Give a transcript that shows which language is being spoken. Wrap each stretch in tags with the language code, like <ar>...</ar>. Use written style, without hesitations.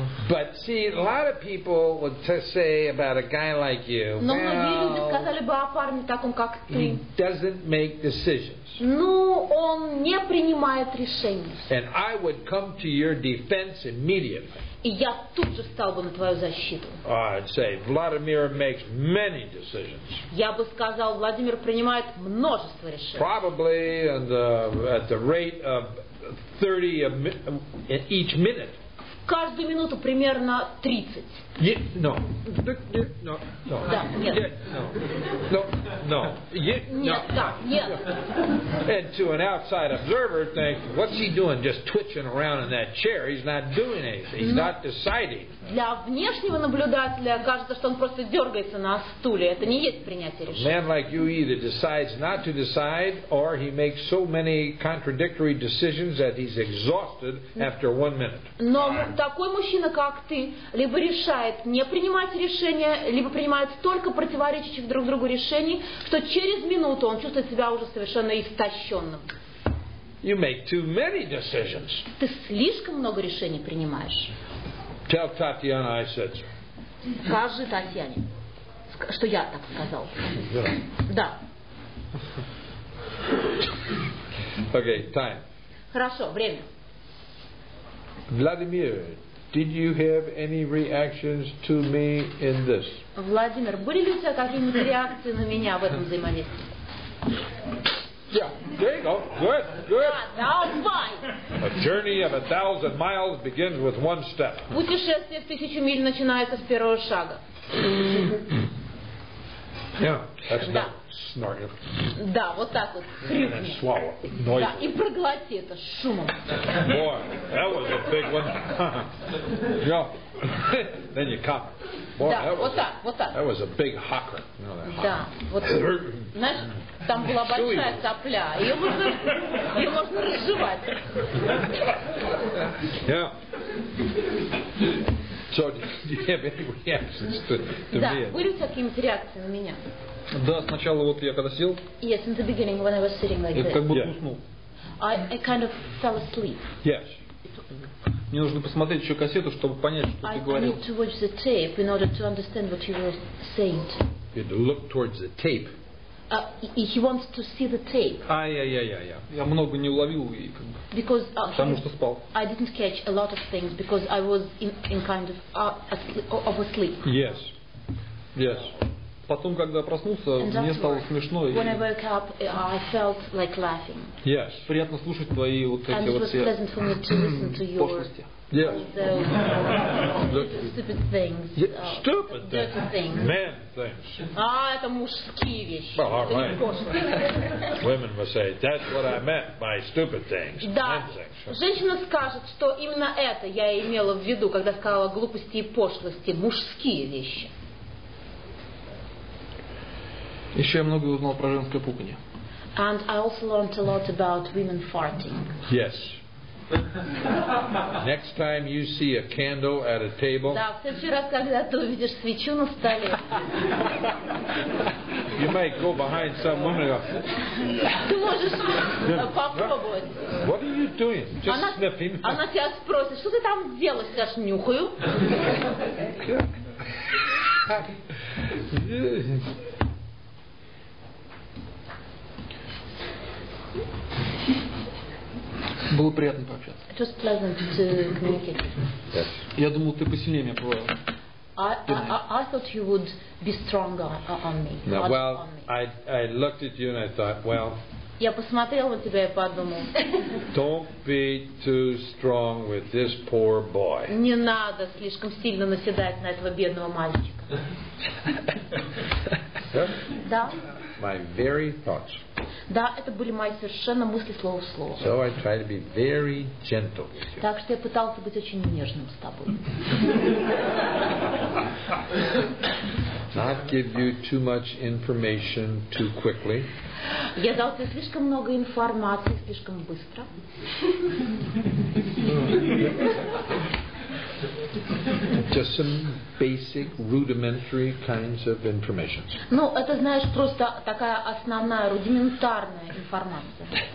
<en>But see, a lot of people would say about a guy like you.</en> <ru>Но многие люди сказали бы о парне таком, как ты.</ru> <en>He doesn't make decisions.</en> <ru>Ну, он не принимает решений.</ru> <en>And I would come to your defense immediately.</en> <ru>И я тут же стал бы на твою защиту.</ru> <en>I'd say Vladimir makes many decisions.</en> <ru>Я бы сказал, Владимир принимает множество решений.</ru> <en>Probably at the rate of 30 each minute.</en> <ru>В каждую минуту примерно 30.</ru> <en>And to an outside observer, think, what's he doing? Just twitching around in that chair. He's not doing anything. He's not deciding.</en> <ru>Для внешнего наблюдателя кажется, что он просто дергается на стуле. Это не есть принятие решения.</ru> <en>A man like you either decides not to decide, or he makes so many contradictory decisions that he's exhausted after 1 minute.</en> <ru>Но такой мужчина, как ты, либо решает не принимать решения, либо принимает столько противоречащих друг другу решений, что через минуту он чувствует себя уже совершенно истощенным.</ru> <en>You make too many decisions.</en> <ru>Ты слишком много решений принимаешь.</ru> <en>Tell Tatiana I said so.</en> <ru>Скажи Татьяне, что я так сказал.</ru> <en>Yeah.</en> <ru>Да.</ru> <en>Okay, time.</en> <ru>Хорошо, время.</ru> <en>Владимир, did you have any reactions to me in this?</en> <ru>Владимир, были ли у тебя какие-нибудь реакции на меня в этом взаимодействии?</ru> <en>Yeah, there you go. Good, good.</en> <ru>Давай.</ru> <en>A journey of 1,000 miles begins with 1 step.</en> <ru>Путешествие в 1000 миль начинается с первого шага.</ru> <en>Yeah, that's not snorting.</en> <ru>Да, вот так вот. Хрюкни.</ru> <en>And swallow. Noisy.</en> <ru>Да, и проглоти это шумом.</ru> <en>Boy, that was a big one. Yeah. Then you cough. Boy,</en> <ru>да, вот так, вот так.</ru> <en>That was a big hocker. You know,</en> <ru>да, вот так. Знаешь, там была большая сопля. Ее можно разжевать.</ru> <en>Yeah. So, do you have any reactions to</en> <ru>да,</ru> <en>me?</en> <ru>Да, были у тебя какие-нибудь реакции на меня? Да, сначала вот я когда сел.</ru> <en>Yes, in the beginning when I was sitting like this.</en> <ru>Как будто уснул.</ru> <en>I kind of fell asleep. Yes.</en> <ru>Мне нужно посмотреть еще кассету, чтобы понять, что ты говорил.</ru> <en>I need to watch the tape in order to understand what you were saying. You need to look towards the tape. He wants to see the tape.</en> <ru>Я много не уловил и как бы.</ru> <en>Because</en> <ru>потому что спал.</ru> <en>I didn't catch a lot of things because I was in kind of of asleep. Yes. Yes.</en> <ru>Потом, когда проснулся, мне стало смешно.</ru> <en>When I woke up, I felt like laughing. Yes.</en> <ru>Приятно слушать твои вот эти</ru> <en>and</en> <ru>вот все пошлости.</ru> <en>Yes. Stupid things. Yeah. Stupid things. Dirty things. Men things.</en> <ru>Это мужские вещи.</ru> <en>Well, all right. Women will say, that's what I meant by stupid things.</en> <ru>Да. Женщина скажет, что именно это я имела в виду, когда сказала глупости и пошлости. Мужские вещи. Еще я много узнал про женское пуканье.</ru> <en>And I also learned a lot about women farting. Yes. Next time you see a candle at a table.</en> <ru>Да, в следующий раз, когда ты увидишь свечу на столе.</ru> <en>You might go behind some woman and go.</en> <ru>Ты можешь попробовать.</ru> <en>What are you doing? Just sniffing.</en> <ru>Она тебя спросит, что ты там делаешь, я ж нюхаю. Было приятно пообщаться.</ru> <en>It was pleasant to communicate. Yes.</en> <ru>Я думал, ты посильнее меня было.</ru> <en>I thought you would be stronger on me. No, well, on me. I looked at you and I thought, well.</en> <ru>Я посмотрел на тебя и подумал.</ru> <en>Don't be too strong with this poor boy.</en> <ru>Не надо слишком сильно наседать на этого бедного мальчика. Да.</ru> <en>My very thoughts.</en> <ru>Да, это были мои совершенно мысли слово в слово.</ru> <en>So I try to be very gentle with you.</en> <ru>Так что я пытался быть очень нежным с тобой.</ru> <en>Not give you too much information too quickly.</en> <ru>Я дал тебе слишком много информации слишком быстро.</ru> <en>Just some basic, rudimentary kinds of information.</en> <ru>Ну, это, знаешь, просто такая основная, рудиментарная информация.</ru>